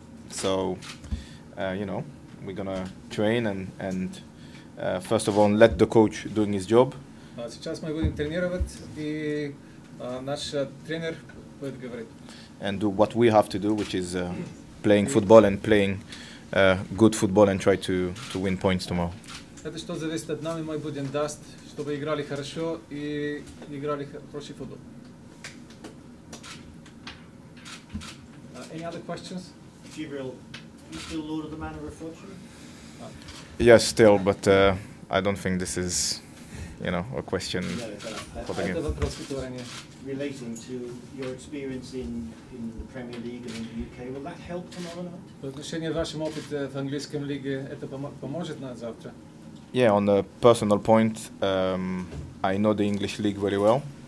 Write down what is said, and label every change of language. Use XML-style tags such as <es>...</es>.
<en>So, you know, we're gonna train and first of all let the coach doing his job.</en> <ru>Сейчас мы будем тренировать, и наш тренер будет говорить.</ru> <en>And do what we have to do, which is playing football and playing good football and try to win points tomorrow.</en> <ru>Это что зависит от нас, мы будем даст. Чтобы играли хорошо и играли хороший футбол.</ru> <en>Any other questions? Gabriel, are you still Lord of the Manor of Fortune? Yes, still, but I don't think this is, you know, a question for the game. Relating to your experience in the Premier League and in the UK, will that help tomorrow night?</en> <ru>В отношении вашего опыта в английском лиге это поможет на завтра?</ru> <en>Yeah, on a personal point, I know the English league very well.</en>